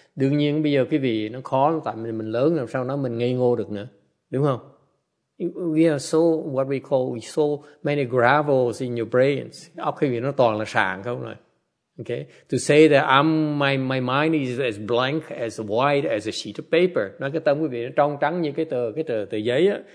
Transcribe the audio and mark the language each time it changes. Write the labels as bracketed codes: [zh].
[vi] Đương nhiên bây giờ quý vị nó khó tại mình lớn làm sao nó mình ngây ngô được nữa. Đúng không? [en] We are so, what we call, so many gravels in your brains. [vi] Óc quý vị nó toàn là sàn không rồi. [en] Okay, to say that my mind is as blank, as white as a sheet of paper. [vi] Nói cái tâm quý vị nó trong trắng như cái tờ giấy á.